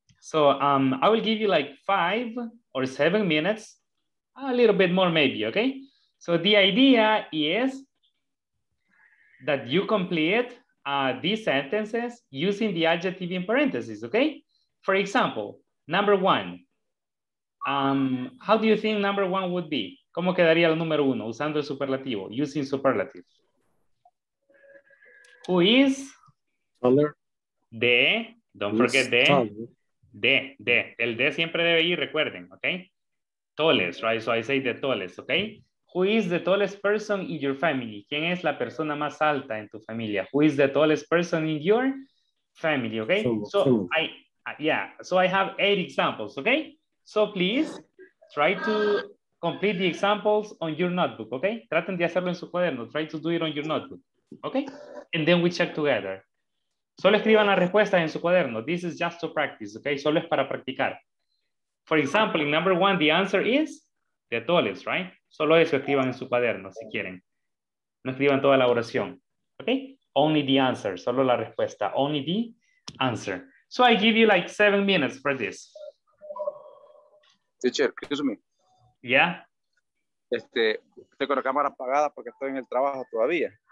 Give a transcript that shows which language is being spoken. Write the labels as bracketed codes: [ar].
[en] So I will give you like 5 or 7 minutes, a little bit more maybe, okay? So the idea is that you complete these sentences using the adjective in parentheses, okay? For example, number one. How do you think number one would be? [es] ¿Cómo quedaría el número uno usando el superlativo, [en] using superlative? Who is? Taller. De, don't forget de. [es] De, el de siempre debe ir, recuerden, okay? [en] Tallest, right? So I say the tallest, okay? Who is the tallest person in your family? [es] ¿Quién es la persona más alta en tu familia? [en] Who is the tallest person in your family, okay? So I have 8 examples, okay? So please try to complete the examples on your notebook, okay? [es] Traten de hacerlo en su cuaderno. [en] Try to do it on your notebook, okay? And then we check together. [es] Solo escriban las respuestas en su cuaderno. [en] This is just to practice, okay? [es] Solo es para practicar. [en] For example, in number one, the answer is the tallest, right? [es] Solo eso escriban en su cuaderno, si quieren. No escriban toda la oración, okay? [en] Only the answer, [es] solo la respuesta, [en] only the answer. So I give you like 7 minutes for this. Teacher, excuse me. Yeah. [es] Tengo la cámara apagada porque estoy en el trabajo todavía.